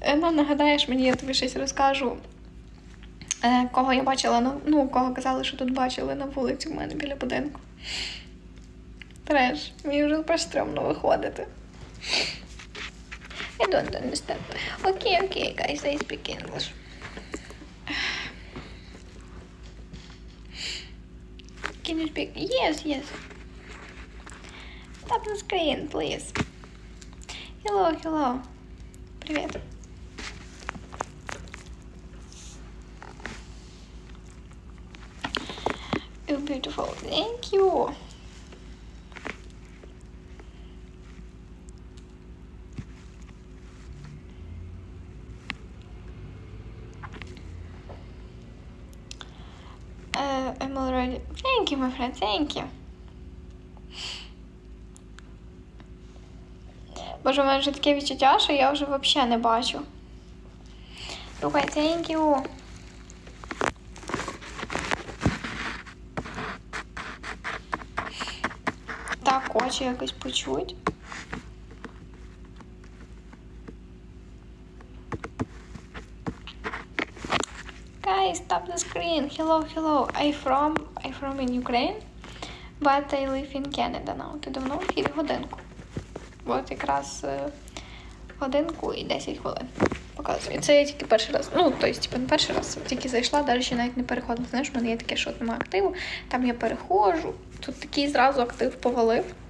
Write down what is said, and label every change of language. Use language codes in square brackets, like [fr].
[uk] Ну, нагадаєш мені, я тобі щось розкажу. Кого я бачила, ну, кого казали, що тут бачили на вулиці в мене біля будинку. Треш, мені вже просто стрьомно виходити. [en] I don't understand. Окей, окей, guys, I speak English. Can you speak? Yes, yes. Tap the screen, please. Hello, hello. [ru] привет. [en] You're beautiful. Thank you. I'm already. Thank you, my friend. Thank you. [uk] Боже, у мене вже таке відчуття, що я вже взагалі не бачу. Рухай, [en] thank you. [uk] Так, хочу якось почути. [en] Guys, tap the screen. Hello, hello. I'm from in Ukraine, but I live in Canada now. [uk] Ти давно? Хіть годинку. От якраз годинку і 10 хвилин показую. Це я тільки перший раз, ну, тобто, типу, не перший раз, тільки зайшла, навіть навіть не переходила. Знаєш, в мене є таке, що немає активу, там я перехожу, тут такий зразу актив повалив.